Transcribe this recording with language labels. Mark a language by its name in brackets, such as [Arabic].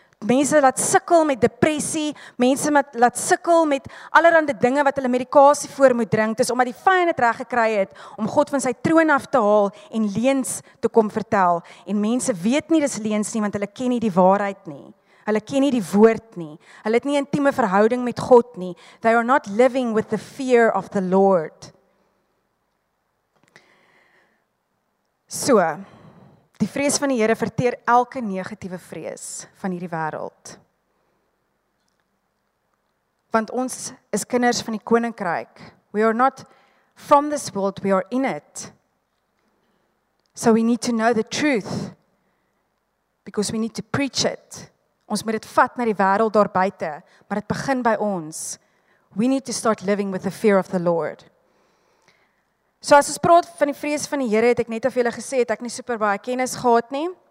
[Afrikaans] Mense laat sukkel met depressie, mense laat sukkel met allerhande dinge wat hulle medikasie voor moet drink, dis omdat die vyand dit reg gekry het om God van sy troon af te haal en leuns te kom vertel. En mense weet nie dis leuns nie, want hulle ken nie die waarheid nie. Hulle ken nie die woord nie. Hulle het nie intieme verhouding met God nie. [English] They are not living with the fear of the Lord. [Afrikaans] So, die vrees van die Here verteer elke negatiewe vrees van hierdie wêreld. Want ons is kinders van die koninkryk. [English] We are not from this world, we are in it. So we need to know the truth. Because we need to preach it. [Afrikaans] Ons moet dit vat na die wêreld daar buite, maar dit begin by ons. [English] We need to start living with the fear of the Lord. [Afrikaans] So as ons praat van die vrees van die Here, het ek net of julle gesê het ek nie super baie kennis gehad nie.